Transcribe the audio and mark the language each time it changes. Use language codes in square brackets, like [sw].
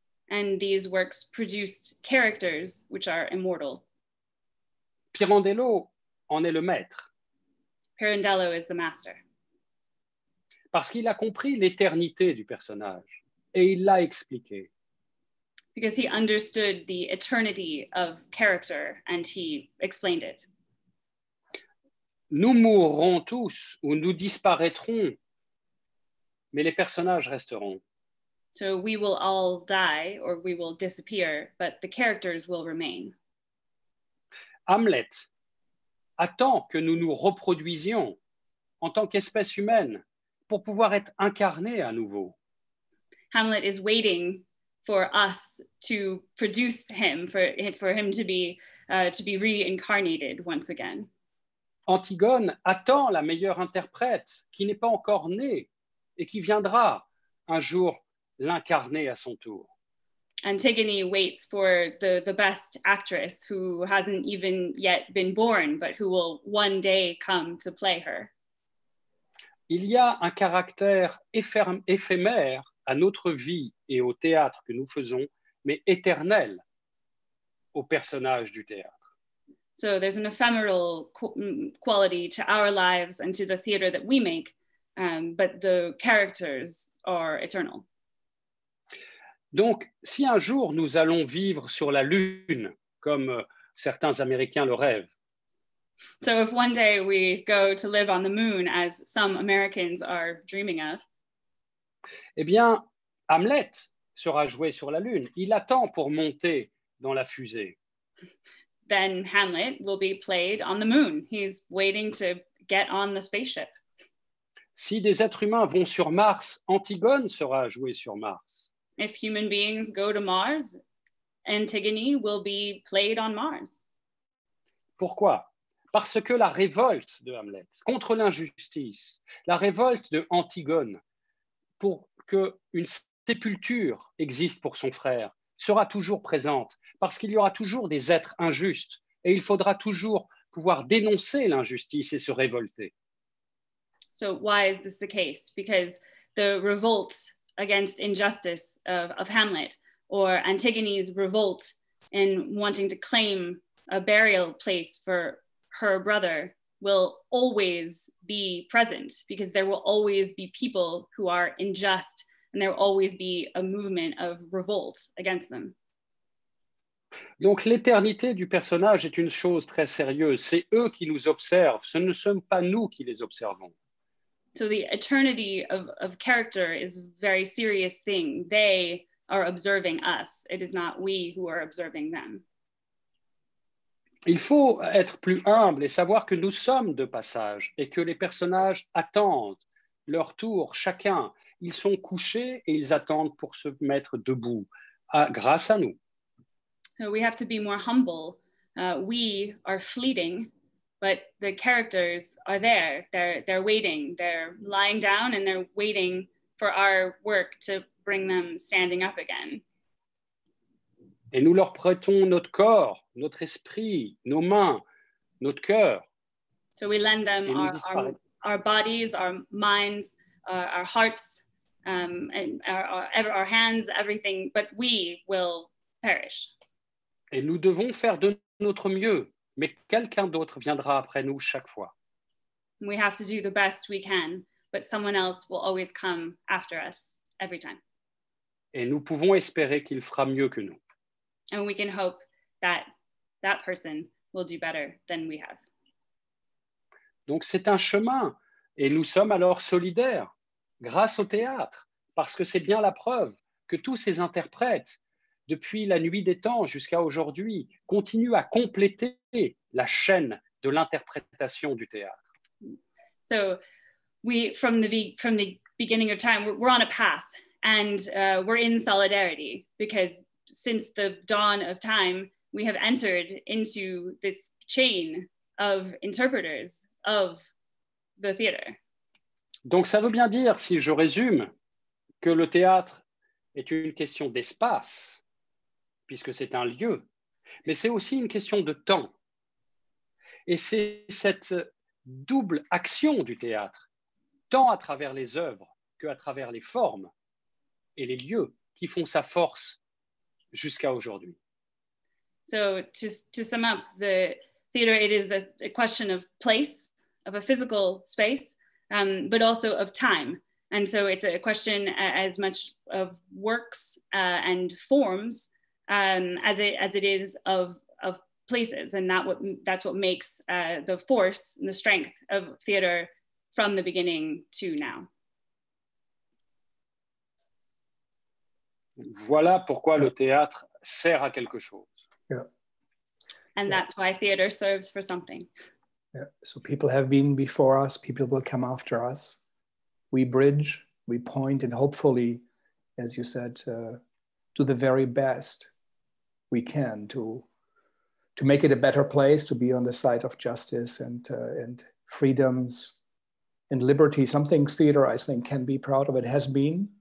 [en] And these works produced characters which are immortal. [fr] Pirandello en est le maître. [en] Pirandello is the master. [fr] Parce qu'il a compris l'éternité du personnage et il l'a expliqué. [en] Because he understood the eternity of character and he explained it. [fr] Nous mourrons tous ou nous disparaîtrons, mais les personnages resteront. [en] So we will all die or we will disappear, but the characters will remain. [fr] Hamlet attend que nous nous reproduisions en tant qu'espèce humaine pour pouvoir être incarné à nouveau. [en] Hamlet is waiting for us to produce him, for him to be reincarnated once again. [fr] Antigone attend la meilleure interprète qui n'est pas encore née et qui viendra un jour l'incarner à son tour. [en] Antigone waits for the best actress who hasn't even yet been born, but who will one day come to play her. [fr] Il y a un caractère éphémère à notre vie et au théâtre que nous faisons, mais éternel au personnage du théâtre. [en] So there's an ephemeral quality to our lives and to the theater that we make, but the characters are eternal. [fr] Donc, si un jour nous allons vivre sur la Lune, comme certains Américains le rêvent. [en] So if one day we go to live on the moon, as some Americans are dreaming of. [fr] Eh bien, Hamlet sera joué sur la Lune. Il attend pour monter dans la fusée. [en] Then Hamlet will be played on the moon. He's waiting to get on the spaceship. [fr] Si des êtres humains vont sur Mars, Antigone sera jouée sur Mars. [en] If human beings go to Mars, Antigone will be played on Mars. [fr] Pourquoi? Parce que la révolte de Hamlet contre l'injustice, la révolte de Antigone pour que une sépulture existe pour son frère, sera toujours présente, parce qu'il y aura toujours des êtres injustes et il faudra toujours pouvoir dénoncer l'injustice et se révolter. [en] So why is this the case? Because the revolt against injustice of Hamlet, or Antigone's revolt in wanting to claim a burial place for her brother, will always be present, because there will always be people who are unjust. And there will always be a movement of revolt against them. [fr] Donc l'éternité du personnage est une chose très sérieuse. C'est eux qui nous observent. Ce ne sommes pas nous qui les observons. [en] So the eternity of character is a very serious thing. They are observing us. It is not we who are observing them. [fr] Il faut être plus humble et savoir que nous sommes de passage et que les personnages attendent leur tour, chacun. Ils sont couchés et ils attendent pour se mettre debout, grâce à nous. [en] So we have to be more humble. We are fleeting, but the characters are there. They're waiting. They're lying down and they're waiting for our work to bring them standing up again. [fr] Et nous leur prêtons notre corps, notre esprit, nos mains, notre cœur. [en] So we lend them our, our bodies, our minds, our hearts, and our hands, everything, but we will perish. [fr] Et nous devons faire de notre mieux, mais quelqu'un d'autre viendra après nous chaque fois. [en] We have to do the best we can, but someone else will always come after us every time. [fr] Et nous pouvons espérer qu'il fera mieux que nous. [en] And we can hope that that person will do better than we have. [fr] Donc c'est un chemin, et nous sommes alors solidaires, grâce au théâtre, parce que c'est bien la preuve que tous ces interprètes, depuis la nuit des temps jusqu'à aujourd'hui, continuent à compléter la chaîne de l'interprétation du théâtre. [en] So, we, from the beginning of time, we're on a path, and we're in solidarity, because since the dawn of time, we have entered into this chain of interpreters of the theater. [fr] Donc ça veut bien dire, si je résume, que le théâtre est une question d'espace, puisque c'est un lieu, mais c'est aussi une question de temps. Et c'est cette double action du théâtre, tant à travers les œuvres qu'à travers les formes et les lieux, qui font sa force jusqu'à aujourd'hui. [en] So to sum up, the theater, it is a question of place, of a physical space, but also of time. And so it's a question as much of works and forms as it is of places, and that's what makes the force and the strength of theater from the beginning to now. [fr] Voilà pourquoi le théâtre sert à quelque chose. Yeah. [en] And that's why theater serves for something. Yeah. So people have been before us, people will come after us. We bridge, we point, and hopefully, as you said, do the very best we can to make it a better place, to be on the side of justice and freedoms and liberty, something theater, I think, can be proud of. It has been.